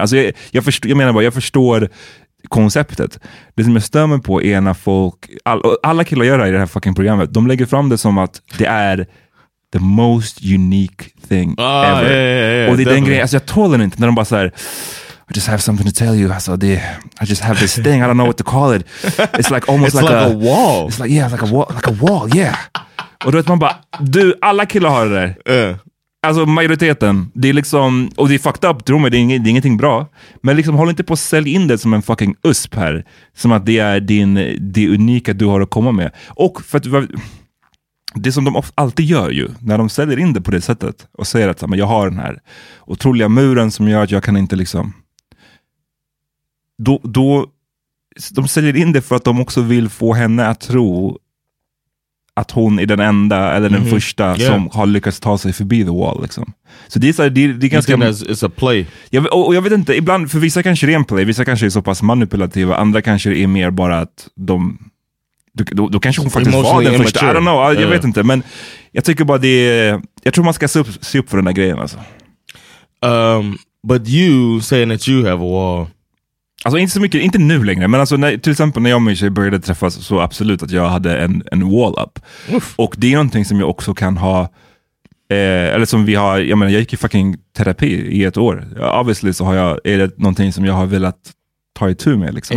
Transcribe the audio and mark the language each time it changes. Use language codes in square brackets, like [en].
[sv] Alltså, jag förstår konceptet. Det som jag stör mig på är när folk, alla killar gör det i det här fucking programmet, de lägger fram det som att det är [en] the most unique thing ever. Yeah. [sv] Och det är den grejen, alltså, jag tål den inte när de bara såhär, [en] I just have something to tell you. [sv] Alltså, [en] I just have this thing. I don't know what to call it. It's like almost like a wall. It's like, yeah, like a wall. Yeah. [sv] Och då vet man bara, du, alla killar har det där. Alltså majoriteten. Det är liksom, och det är fucked up. Tror mig, det är ingenting bra. Men liksom, håll inte på att sälja in det som en fucking USP här. Som att det är det unika du har att komma med. Och för att, det som de alltid gör ju, när de säljer in det på det sättet och säger att jag har den här otroliga muren som gör att jag kan inte liksom, då de säljer in det för att de också vill få henne att tro att hon är den enda eller den första som har lyckats ta sig förbi [en] the wall [sv] liksom. Så det är så här, det är ganska, [en] it's a play. [sv] Jag vet inte, ibland, för vissa kanske är en play, vissa kanske är så pass manipulativa, andra kanske är mer bara att de, Då kanske hon faktiskt var den första. [en] I don't know, [sv] jag vet inte. Men jag tycker bara det är, jag tror man ska se upp för den där grejen. Alltså. [en] But you saying that you have a wall. [sv] Alltså inte så mycket, inte nu längre. Men alltså, till exempel när jag och min tjej började träffas, så absolut att jag hade en wall up. Oof. Och det är någonting som jag också kan ha. Eller som vi har, jag menar, jag gick i fucking terapi i ett år. Obviously så har jag, är det någonting som jag har velat ta i tur med liksom.